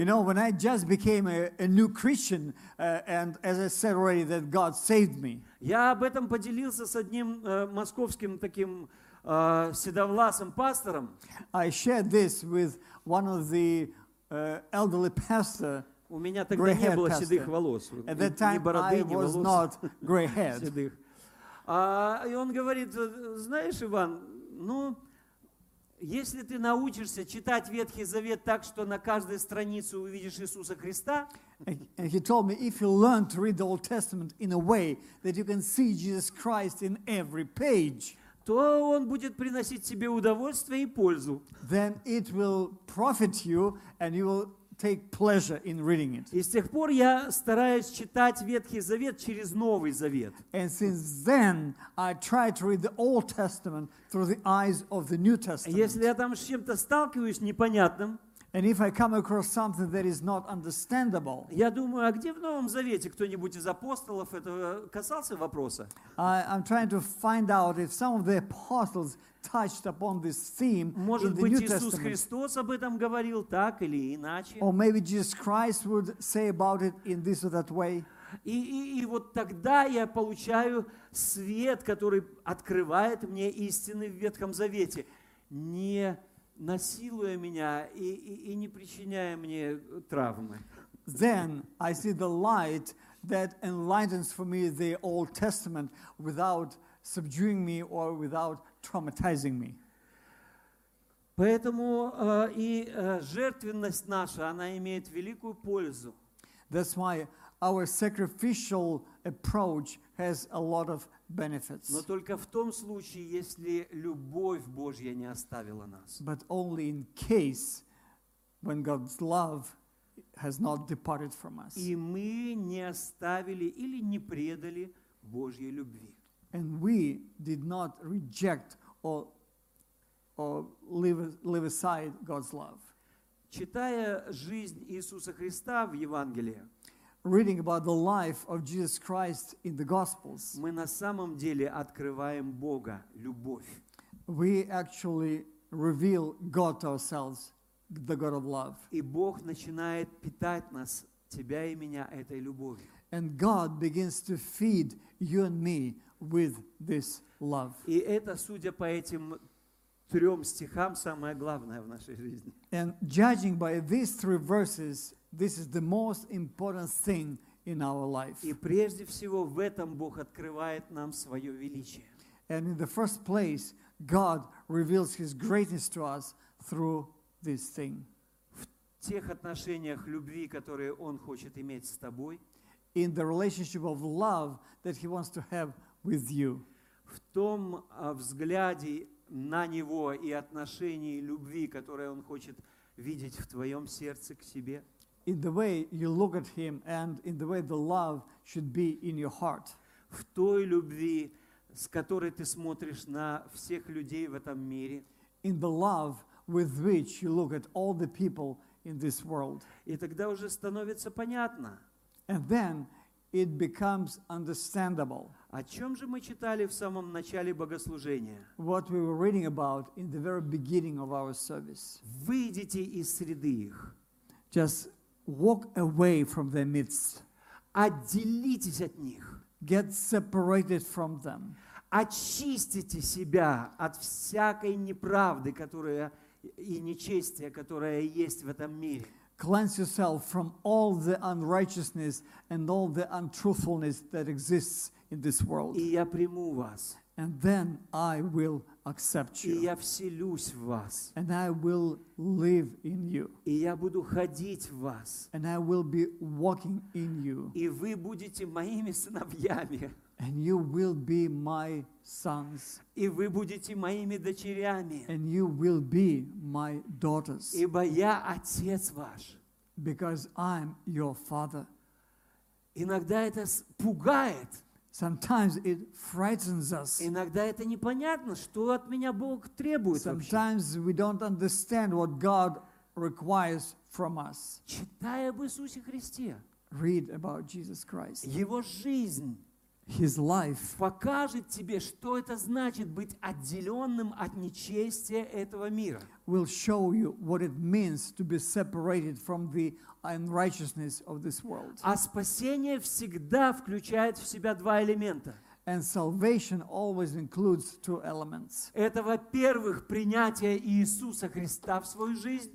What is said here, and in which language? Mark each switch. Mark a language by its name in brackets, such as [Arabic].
[English] You know, when I just became a new Christian, and as I said already, that God saved me. [Russian] Я об этом поделился с одним московским таким седовласым пастором. [English] I shared this with one of the elderly pastor. [Russian] У меня тогда не было седых волос. [English] At that time, [Russian] ни бороды, [English] I was not gray-haired. [Russian] Седых. И он говорит, знаешь, Иван, ну, если ты научишься читать Ветхий Завет так, что на каждой странице увидишь Иисуса Христа, [English] and he told me, if you learn to read the Old Testament in a way that you can see Jesus Christ in every page, [Russian] то он будет приносить тебе удовольствие и пользу. [English] Then it will profit you, and you will take pleasure in reading it. [Russian] И с тех пор я стараюсь читать Ветхий Завет через Новый Завет. [English] And since then, I try to read the Old Testament through the eyes of the New Testament. [Russian] Если я там с чем-то сталкиваюсь непонятным, [English] and if I come across something that is not understandable, [Russian] я думаю, а где в Новом Завете кто-нибудь из апостолов этого касался вопроса? [English] I'm trying to find out if some of the apostles touched upon this theme. [Russian] Может [English] in the [Russian] быть, [English] New [Russian] Иисус [English] Testament. [Russian] Христос об этом говорил так или иначе? [English] Or maybe Jesus Christ would say about it in this or that way. [Russian] И вот тогда я получаю свет, который открывает мне истины в Ветхом Завете, не насилуя меня и не причиняя мне травмы. [English] Then I see the light that enlightens for me the Old Testament without subduing me or without traumatizing me. [Russian] Поэтому и жертвенность наша, она имеет великую пользу. [English] That's why our sacrificial approach has a lot of benefits. [Russian] Но только в том случае, если любовь Божья не оставила нас. [English] But only in case when God's love has not departed from us. [Russian] И мы не оставили или не предали Божьей любви. [English] And we did not reject or leave aside God's love. [Russian] Читая жизнь Иисуса Христа в Евангелии, [English] reading about the life of Jesus Christ in the Gospels, [Russian] мы на самом деле открываем Бога, любовь. [English] We actually reveal God to ourselves, the God of love. [Russian] И Бог начинает питать нас тебя и меня этой любовью. [English] And God begins to feed you and me with this love. [Russian] И это, судя по этим трем стихам, самое главное в нашей жизни. [English] And judging by these three verses, this is the most important thing in our life. [Russian] И прежде всего в этом Бог открывает нам свое величие. [English] And in the first place, God reveals His greatness to us through this thing. [Russian] В тех отношениях любви, которые Он хочет иметь с тобой. [English] In the relationship of love that He wants to have with you. [Russian] В том взгляде на Него и отношении любви, которое Он хочет видеть в твоем сердце к себе. [English] In the way you look at Him and in the way the love should be in your heart. [Russian] В той любви, с которой ты смотришь на всех людей в этом мире. [English] In the love with which you look at all the people in this world. [Russian] И тогда уже становится понятно. [English] And then it becomes understandable. [Russian] О чем же мы читали в самом начале богослужения? [English] What we were reading about in the very beginning of our service. [Russian] Выйдите из среды их. [English] Just walk away from their midst. [Russian] Отделитесь от них. [English] Get separated from them. [Russian] Очистите себя от всякой неправды, которая и нечестия, которая есть в этом мире. [English] Cleanse yourself from all the unrighteousness and all the untruthfulness that exists in this world. [Russian] И я приму вас. [English] And then I will accept you. [Russian] И я вселюсь в вас. [English] And I will live in you. [Russian] И я буду ходить в вас. [English] And I will be walking in you. [Russian] И вы будете моими сыновьями. [English] And you will be my sons. [Russian] И вы будете моими дочерями. [English] And you will be my daughters. [Russian] Ибо я отец ваш. [English] Because I'm your father. [Russian] Иногда это пугает. [English] Sometimes it frightens us. [Russian] Иногда это непонятно, что от меня Бог требует. [English] Sometimes [Russian] вообще. [English] We don't understand what God requires from us. [Russian] Читай об Иисусе Христе. [English] Read about Jesus Christ. [Russian] Его жизнь. [English] His life. [Russian] Покажет тебе, что это значит быть отделенным от нечестия этого мира. [English] Will show you what it means to be separated from the unrighteousness of this world. [Russian] А спасение всегда включает в себя два элемента. [English] And salvation always includes two elements. [Russian] Это, во-первых, принятие Иисуса Христа в свою жизнь.